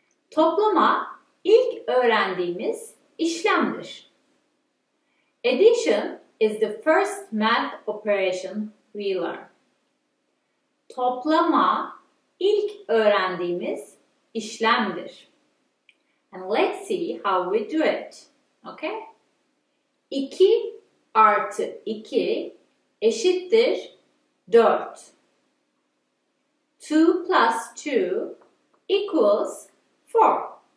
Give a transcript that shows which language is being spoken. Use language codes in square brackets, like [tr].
[tr] Toplama ilk öğrendiğimiz işlemdir. [en] Addition is the first math operation we learn. [tr] Toplama ilk öğrendiğimiz işlemdir. [en] And let's see how we do it, okay? [tr] 2 artı 2 eşittir 4. [en] 2 plus 2 equals 4.